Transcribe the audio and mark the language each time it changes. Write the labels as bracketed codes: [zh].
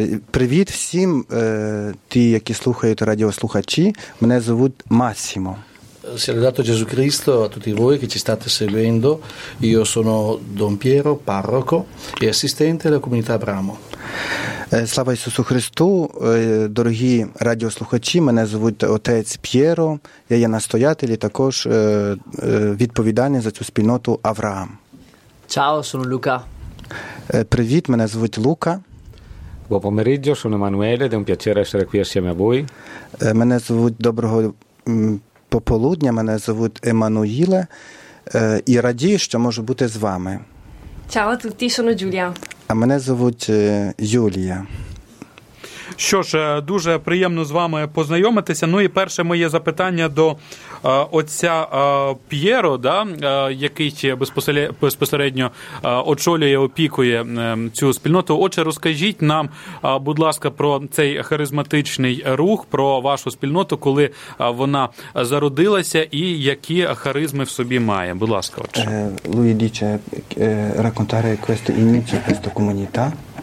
[uk] Привіт всім, ті, які слухають радіослухачі. Мене звуть Массимо. [it] Salutato Gesù Cristo a tutti voi che ci state seguendo. Io sono Don Piero, parroco e assistente della comunità Abramo. [uk] Слава Ісусу Христу, дорогі радіослухачі. Мене звуть отець П'єро. Я є настоятель і також відповідальний за цю спільноту Авраам. [it] Ciao, sono Luca. [uk] Привіт, мене звуть Лука. [it] Buon pomeriggio, sono Emanuele ed è un piacere essere qui assieme a voi. [uk] Мене звуть доброго пополудня, мене звуть Еммануїле, і радію, що можу бути з вами. [it] Ciao a tutti, sono Giulia. [uk] А мене звуть Юлія. Що ж, дуже приємно з вами познайомитися. Ну і перше моє запитання до отця П'єро, да, який безпосередньо очолює, опікує цю спільноту. Отже, розкажіть нам, будь ласка, про цей харизматичний рух, про вашу спільноту, коли вона зародилася і які харизми в собі має. Будь ласка, отче. [it] Lui dice raccontare questo inizio, questa comunità.